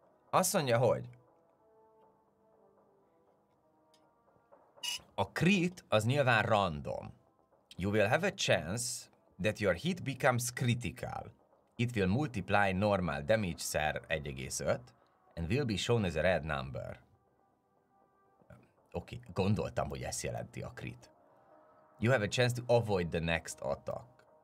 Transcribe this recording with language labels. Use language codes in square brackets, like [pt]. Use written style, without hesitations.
[hu] Azt mondja, hogy a crit az nyilván random. [en] You will have a chance that your hit becomes critical. It will multiply normal damage szer 1,5 and will be shown as a red number. [hu] Oké, gondoltam, hogy ezt jelenti a crit. [en] You have a chance to avoid the next attack.